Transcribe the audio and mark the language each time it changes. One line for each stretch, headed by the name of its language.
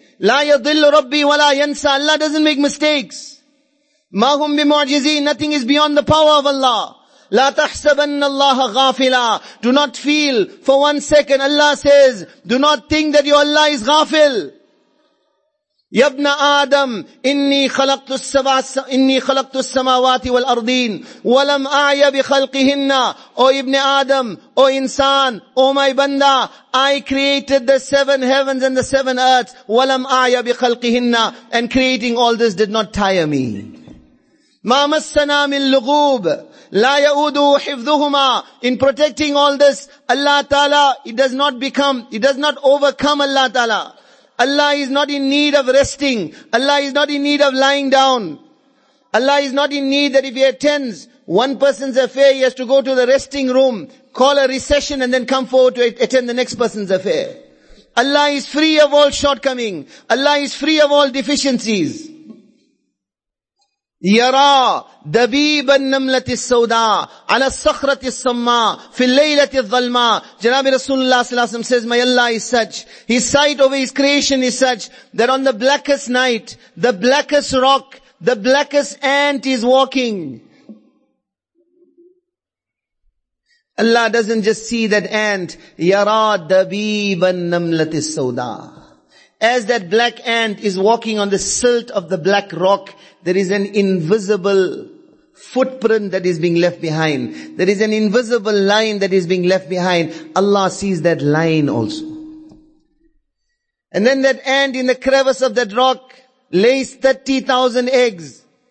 Arabic: لَا يَضِلُّ رَبِّي وَلَا يَنْسَى.
English: Allah doesn't make mistakes.
Arabic: مَا هُمْ بِمُعْجِزِينَ.
English: Nothing is beyond the power of Allah.
Arabic: لا تحسبن الله غافلا.
English: Do not feel for 1 second. Allah says, do not think that your Allah is غافل.
Arabic: يبنى آدم إني خلقت السماوات والأرضين ولم أعي بخلقهن.
English: O Ibn Adam, O insan, O my banda, I created the 7 heavens and the 7 earths.
Arabic: ولم أعي بخلقهن.
English: And creating all this did not tire me.
Arabic: ما مسنا من لغوب. لا يؤدو حفظهما.
English: In protecting all this, Allah Ta'ala, it does not overcome Allah Ta'ala. Allah is not in need of resting. Allah is not in need of lying down. Allah is not in need that if he attends one person's affair, he has to go to the resting room, call a recession and then come forward to attend the next person's affair. Allah is free of all shortcoming. Allah is free of all deficiencies.
Arabic: يرى دبيب النملة السوداء على الصخرة الصماء في الليلة الظلماء.
English: Janabi Rasulullah sallallahu alaihi wasallam says, my Allah is such, his sight over his creation is such, that on the blackest night, the blackest rock, the blackest ant is walking. Allah doesn't just see that ant.
Arabic: يرى دبيب النملة السوداء.
English: As that black ant is walking on the silt of the black rock, there is an invisible footprint that is being left behind. There is an invisible line that is being left behind. Allah sees that line also. And then that ant in the crevice of that rock lays 30,000 eggs.